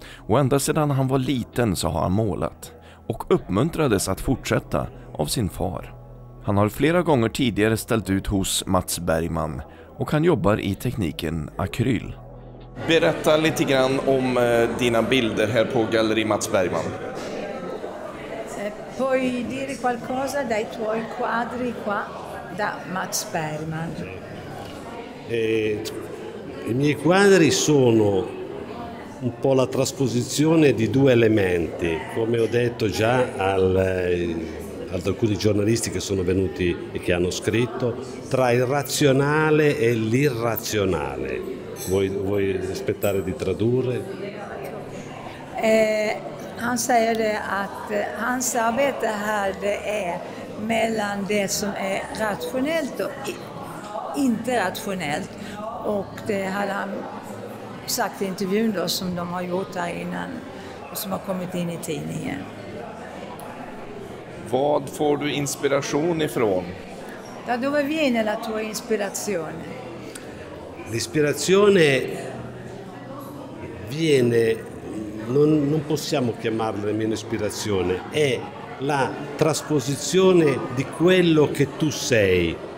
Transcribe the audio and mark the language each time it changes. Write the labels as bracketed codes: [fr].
[sv] Och ända sedan han var liten så har han målat och uppmuntrades att fortsätta av sin far. Han har flera gånger tidigare ställt ut hos Mats Bergman och han jobbar i tekniken akryl. Berätta lite grann om dina bilder här på galleri Mats Bergman. [it] Puoi dire qualcosa dai tuoi quadri qua da Mats Bergman? I miei quadri sono un po' la trasposizione di due elementi, come ho detto già ad alcuni giornalisti che sono venuti e che hanno scritto, tra il razionale e l'irrazionale. Vuoi aspettare di tradurre? [sv] Han säger att hans arbete här är mellan det som är rationellt och inte rationellt. Och det hade han sagt i intervjun då, som de har gjort här innan och som har kommit in i tidningen. Vad får du inspiration ifrån? [it] Da dove viene la tua ispirazione? L'ispirazione viene, non possiamo chiamarla nemmeno ispirazione, è la trasposizione di quello che tu sei.